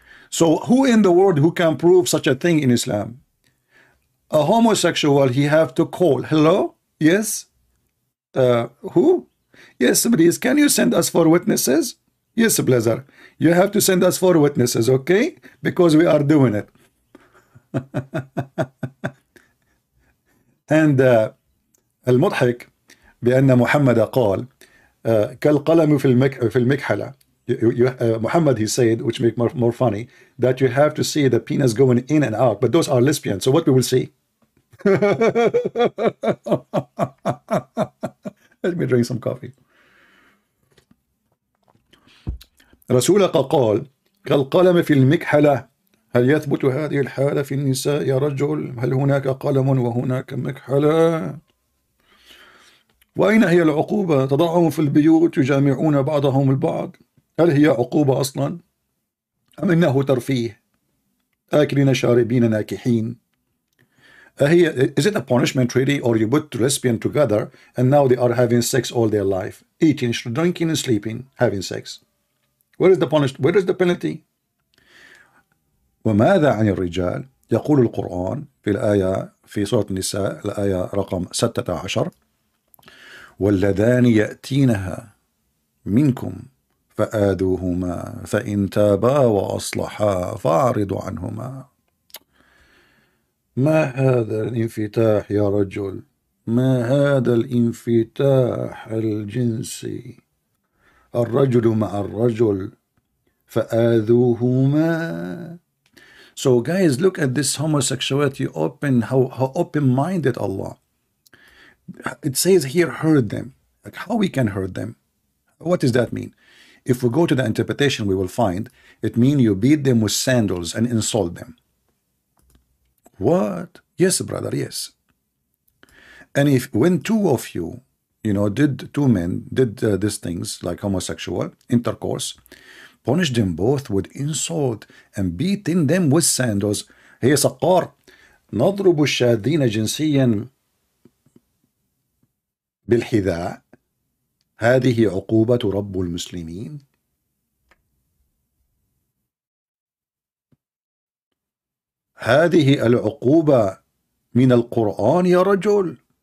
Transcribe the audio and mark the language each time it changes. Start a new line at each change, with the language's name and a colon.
English: So who in the world who can prove such a thing in Islam? A homosexual, he have to call. Hello? Yes? Who? Yes, please. Can you send us four witnesses? Yes, Blazer. You have to send us four witnesses, okay? Because we are doing it.
Arabic: And المضحك بأن محمد قال كالقلم في المكحلة.
English: Muhammad, he said, which make more funny, that you have to see the penis going in and out, but those are lesbians. So what we will see? Let me drink some coffee.
Arabic: رسولك قال كالقلم في المكحلة هل يثبت هذه الحالة في النساء يا رجل؟ هل هناك قلم وهناك مكحلة؟ وأين هي العقوبة؟ تضعهم في البيوت يجامعون بعضهم البعض، هل هي عقوبة أصلا؟ أم إنه ترفيه؟ آكلين شاربين ناكحين؟
English: Is it a punishment really, or you put lesbian together and now they are having sex all their life, eating, drinking, and sleeping, having sex? Where is the punishment? Where is the penalty?
Arabic: وماذا عن الرجال؟ يقول القرآن في الآية في سورة النساء الآية رقم 16 والذان يأتينها منكم فآذوهما فإن تابا وأصلحا فأعرضوا عنهما. ما هذا الانفتاح يا رجل؟ ما هذا الانفتاح الجنسي؟ الرجل مع الرجل فآذوهما.
English: So guys, look at this homosexuality open, how open-minded Allah. It says here, hurt them. Like, how we can hurt them? What does that mean? If we go to the interpretation, we will find it means you beat them with sandals and insult them. What? Yes, brother, yes. And if when two of you, you know, did two men did these things like homosexual intercourse, punish them both with insult and beating them with sandals.
Arabic: هي سقار نضرب الشاذين جنسيا بالحذاء هذه عقوبة رب المسلمين. هذه العقوبة من القرآن يا رجل.